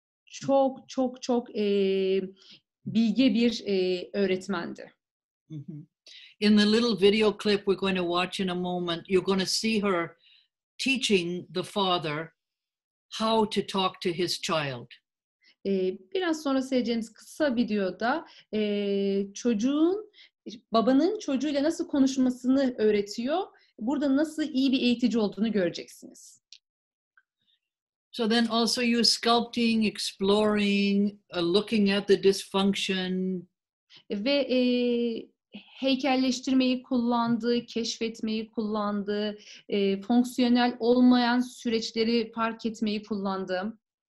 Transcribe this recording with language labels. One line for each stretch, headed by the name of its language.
Turkish: Çok çok çok bilge bir öğretmendi.
English: In the little video clip we're going to watch in a moment, you're going to see her teaching the father how to talk to his child.
Turkish: Biraz sonra seyredeceğimiz kısa videoda çocuğun babanın çocuğuyla nasıl konuşmasını öğretiyor. Burada nasıl iyi bir eğitici olduğunu göreceksiniz.
English: So then also you sculpting, exploring, looking at the dysfunction.
Turkish: Ve heykelleştirmeyi kullandı, keşfetmeyi kullandı, fonksiyonel olmayan süreçleri fark etmeyi kullandı.